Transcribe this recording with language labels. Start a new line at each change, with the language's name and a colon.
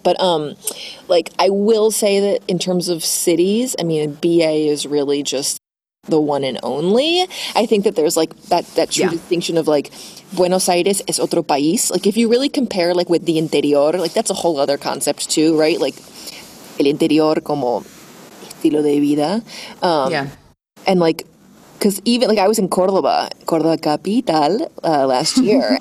English: But like, I will say that in terms of cities, I mean, BA is really just the one and only. I think that there's like that true distinction of like
Spanish: Buenos Aires es otro país.
English: Like, if you really compare like with the interior, like that's a whole other concept too, right? Like,
Spanish: el interior como estilo de vida.
English: And like, because even, like, I was in Córdoba capital, last year.